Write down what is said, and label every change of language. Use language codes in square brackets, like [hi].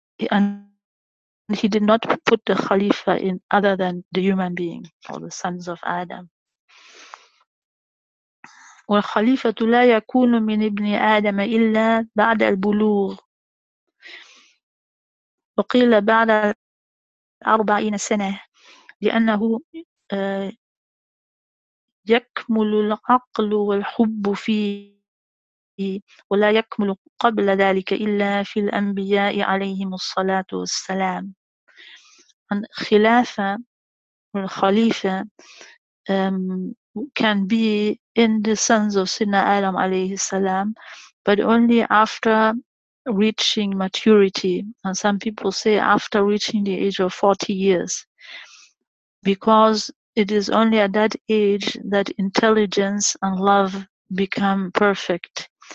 [en] And he did not put the Khalifa in other than the human being or the sons of Adam. [ar] والخليفة لا يكون من ابن آدم إلا بعد البلوغ. وقيل بعد 40 سنة لأنه يكمل العقل والحب فيه ولا يكمل قبل ذلك إلا في الأنبياء عليهم الصلاة والسلام. [en] And [ar] خلافة الخليفة [en] can be in the sons of Sayyidina Adam [ar] عليه السلام, [en] but only after reaching maturity, and some people say after reaching the age of 40 years, because it is only at that age that intelligence and love become perfect.